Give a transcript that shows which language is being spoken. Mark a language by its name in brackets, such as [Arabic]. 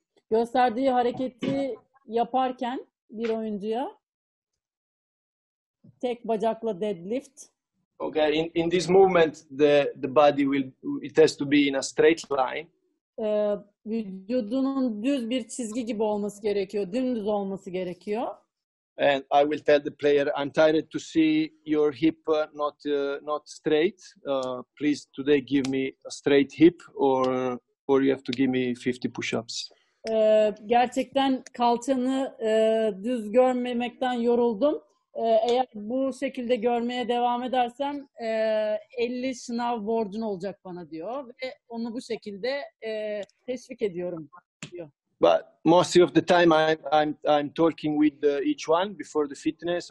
[Turkish] gösterdiği hareketi yaparken bir oyuncuya tek bacakla deadlift. [English] Okay, in this movement the body will, it has to be in a straight line. [Turkish] Vücudunun düz bir çizgi gibi olması gerekiyor, dümdüz olması gerekiyor. [English] And I will tell the player, I'm tired to see your hip not straight. Please today give me a straight hip or you have to give me 50 push-ups. [Turkish] Gerçekten kalçanı düz görmemekten yoruldum. Eğer bu şekilde görmeye devam edersem 50 sınav borcun olacak bana diyor ve onu bu şekilde teşvik ediyorum diyor. [English] But most of the time I'm talking with each one before the fitness.